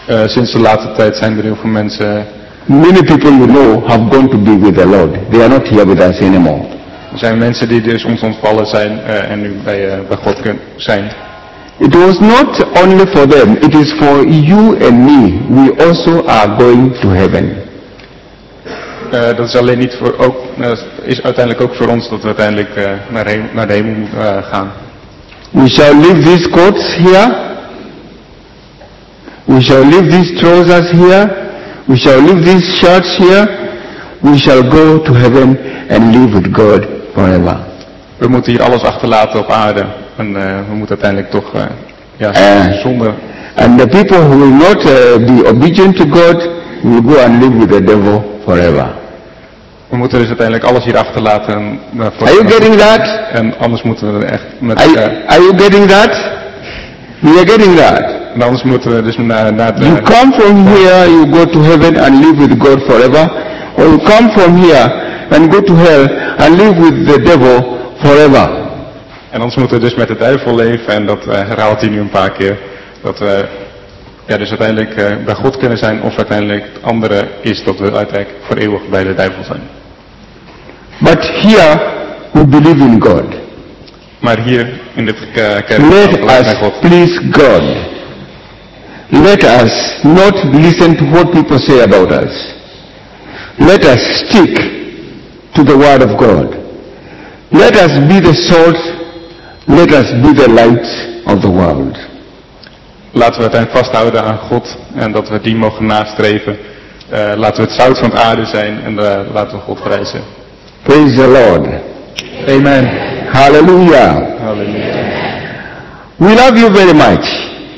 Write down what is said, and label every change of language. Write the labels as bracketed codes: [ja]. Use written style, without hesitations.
[nl] Sinds de laatste tijd zijn er heel veel mensen. [en] Many people you know have gone to be with the Lord. They are not here with us anymore. [nl] Er zijn mensen die dus ons ontvallen zijn en nu bij God zijn. [en] It was not only for them, it is for you and me. We also are going to heaven. [nl] Dat is alleen niet voor ook is uiteindelijk ook voor ons dat we uiteindelijk naar de hemel moeten gaan. [en] We shall leave these coats here. We shall leave these trousers here. We shall leave these shirts here. We shall go to heaven and live with God forever. [nl] We moeten hier alles achterlaten op aarde en we moeten uiteindelijk toch zonder. [en] And the people who will not be obedient to God will go and live with the devil forever. [nl] We moeten dus uiteindelijk alles hier achterlaten. [en] Are you getting that? [nl] En anders moeten we echt met. [en] Are you getting that? We are getting that. [nl] En anders moeten we dus naar [en] you come from here, you go to heaven and live with God forever. Or you come from here and go to hell and live with the devil forever. [nl] En anders moeten we dus met de duivel leven en dat herhaalt hij nu een paar keer. Dat we ja, dus uiteindelijk bij God kunnen zijn of uiteindelijk het andere is dat we uiteindelijk voor eeuwig bij de duivel zijn. [en] But here we believe in God. [nl] Maar hier in dit kerk [en] let us God. Please God. Let us not listen to what people say about us. Let us stick to the word of God. Let us be the salt. Let us be the light of the world. [nl] Laten we uiteindelijk vasthouden aan God en dat we die mogen nastreven. Laten we het zout van de aarde zijn en laten we God prijzen. [en] Praise the Lord. Amen. Hallelujah. Hallelujah. We love you very much.